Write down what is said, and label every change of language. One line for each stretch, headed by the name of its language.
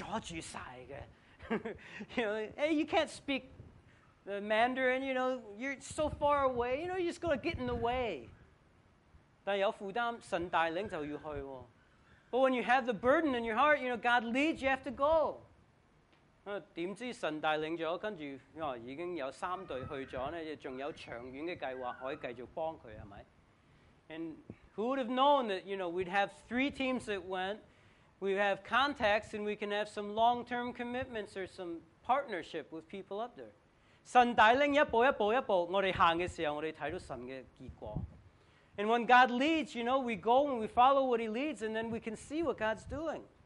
English: You can't speak the Mandarin, you know, you're so far away, you know, you're just going to get in the way.
Cantonese: 但有负担，神带领就要去。
English: But when you have the burden in your heart, you know, God leads, you have to go.
Cantonese: 怎知神带领了，跟着已经有三队去了，还有长远的计划可以继续帮他，是吧？
English: And who would have known that, you know, we'd have three teams that went, we have contacts, and we can have some long-term commitments or some partnership with people up there.
Cantonese: 神带领一步一步一步，我们走的时候，我们看到神的结果。
English: And when God leads, you know, we go and we follow what he leads, and then we can see what God's doing.